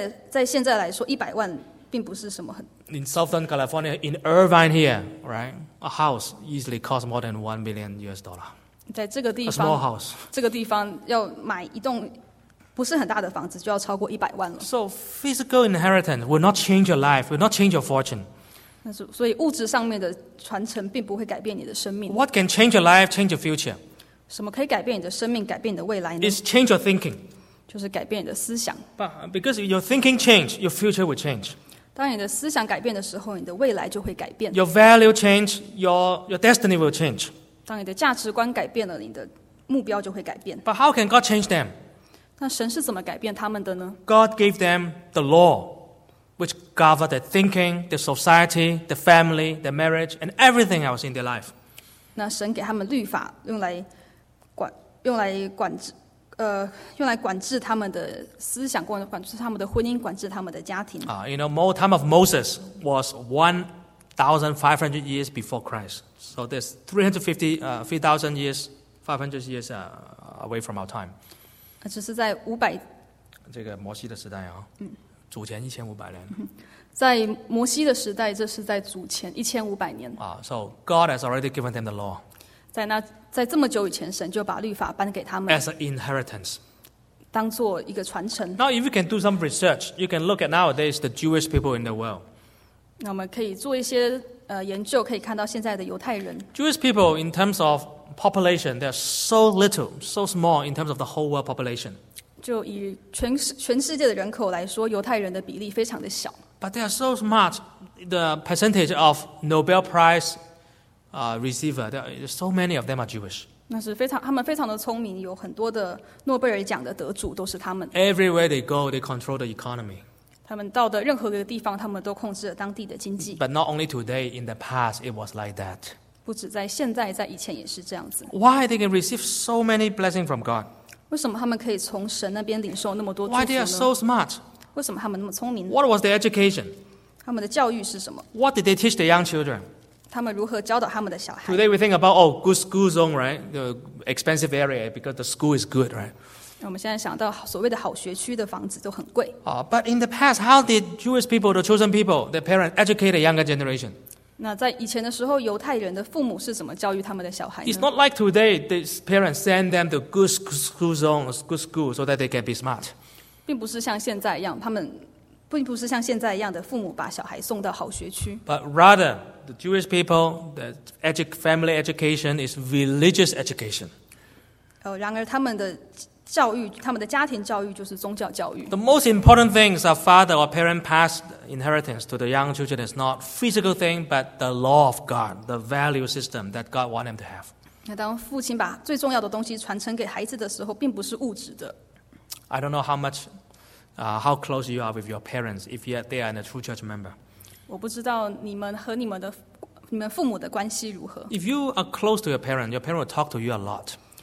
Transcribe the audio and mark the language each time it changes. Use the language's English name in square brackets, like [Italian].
[Chinese] 在现在来说，一百万并不是什么很。 [English] In Southern California, in Irvine here, right, a house easily costs more than $1 million. [Chinese] 在这个地方 [English] ，a small house， [Chinese] 这个地方要买一栋不是很大的房子，就要超过一百万了。 [English] So physical inheritance will not change your life, will not change your fortune. [Chinese] 那所以物质上面的传承并不会改变你的生命。 [English] What can change your life, change your future? [Chinese] 什么可以改变你的生命，改变你的未来呢 [English] ？It's change your thinking. [Chinese] 就是改变你的思想。 [English] But because your thinking change, your future will change. [Chinese] 当你的思想改变的时候，你的未来就会改变。 [English] Your value change, your destiny will change. [Chinese] 当你的价值观改变了，你的目标就会改变。 [English] But how can God change them? [Chinese] 那神是怎么改变他们的呢？ [English] God gave them the law, which governed their thinking, their society, their family, their marriage, and everything else in their life. [Chinese] 那神给他们律法，用来管制他们的思想，管制他们的婚姻，管制他们的家庭。 [English] You know, more time of Moses was 1,500 years before Christ. So there's 500 years away from our time. [Chinese] 这是在五百这个摩西的时代啊，祖前1500年。在摩西的时代，这是在祖前1500年。 [English] So God has already given them the law. [Chinese] 在这么久以前，神就把律法颁给他们。 [English] As an inheritance, [Chinese] 当做一个传承。 [English] Now, if you can do some research, you can look at nowadays the Jewish people in the world. [Chinese] 那我们可以做一些研究，可以看到现在的犹太人。 [English] Jewish people, in terms of population, they're so little, so small in terms of the whole world population. [Chinese] 就以全世界的人口来说，犹太人的比例非常的小。 [English] But they are so smart. The percentage of Nobel Prize. Receiver, there are, so many of them are Jewish. [Chinese] 那是非常，他们非常的聪明，有很多的诺贝尔奖的得主都是他们。 [English] Everywhere they go, they control the economy. [Chinese] 他们到的任何一个地方，他们都控制了当地的经济。 [English] But not only today, in the past, it was like that. [Chinese] 不止在现在，在以前也是这样子。 [English] Why they can receive so many blessings from God? [Chinese] 为什么他们可以从神那边领受那么多祝福呢？ [English] Why they are so smart? [Chinese] 为什么他们那么聪明 [English] ？What was their education? [Chinese] 他们的教育是什么 [English] ？What did they teach the young children? [Chinese] 他们如何教导他们的小孩 [English] ？Today we think about good school zone, right? The expensive area because the school is good, right? [Chinese] 我们现在想到所谓的好学区的房子都很贵。 [English] But in the past, how did Jewish people, the chosen people, the parents educate the younger generation? [Chinese] 那在以前的时候，犹太人的父母是怎么教育他们的小孩呢？ [English] It's not like today, the parents send them to good school zones, good school, so that they can be smart. [Chinese] 并不是像现在一样，他们并不是像现在一样的父母把小孩送到好学区。 [English] But rather, the Jewish people, the family education is religious education. [Chinese] 然而他们的教育，他们的家庭教育就是宗教教育。 [English] The most important things a father or parent passed inheritance to the young children is not physical thing, but the law of God, the value system that God wants them to have. [Chinese] 那当父亲把最重要的东西传承给孩子的时候，并不是物质的。 [English] I don't know how close you are with your parents if yet they are a true church member. [Chinese] 我不知道你们和你们父母的关系如何。 [English] If you are close to your parent will talk to you a lot.